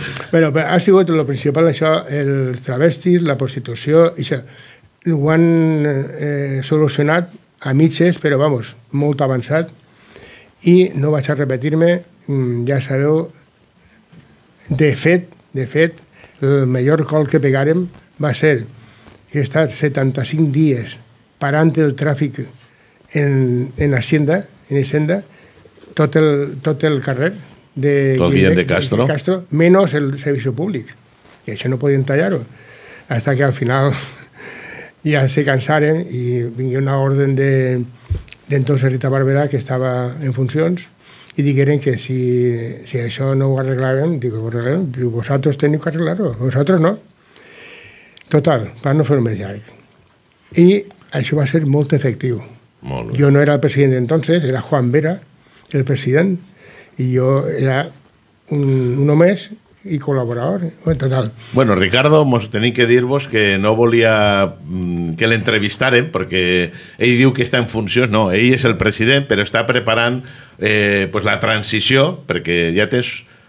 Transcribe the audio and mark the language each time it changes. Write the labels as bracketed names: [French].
[Catalan] Bueno, ha sigut el principal això, el travestis, la prostitució, i això, ho han solucionat a mitges, però vamos, molt avançat, i no vaig a repetir-me, ja sabeu, de fet, el millor col que pegàrem va ser estar 75 dies parant el tràfic en Hacienda, tot el carrer de Guillem de Castro, menys el servei públic, i això no podien tallar-ho. [Spanish] hasta que al final ya se cansaren y vinió una orden de entonces Rita Barberà, que estaba en funciones, y dijeron que si eso no lo arreglaban, digo, vosotros tenéis que arreglarlo, vosotros no. [Catalan] Total, van no fer un més llarg. I això va ser molt efectiu. Molt jo no era el president entonces, era Juan Vera, el president, i jo era un home més i col·laborador. Total. Bueno, Ricardo, mos tenim que dir-vos que no volia que l'entrevistarem, perquè ell diu que està en funció, no, ell és el president, però està preparant pues la transició, perquè ja tens...